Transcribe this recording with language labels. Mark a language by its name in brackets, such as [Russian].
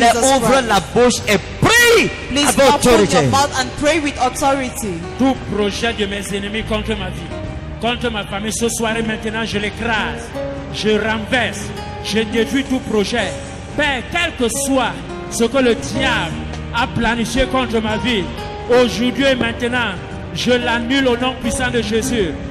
[French] S'il te plaît, ouvre la bouche et prie. [English] Please open your mouth and pray with authority. [French] Tout projet de mes ennemis contre ma vie. Contre ma famille, ce soir et maintenant, je l'écrase, je renverse, je détruis tout projet. Père, quel que soit ce que le diable a planifié contre ma vie, aujourd'hui et maintenant, je l'annule au nom puissant de Jésus.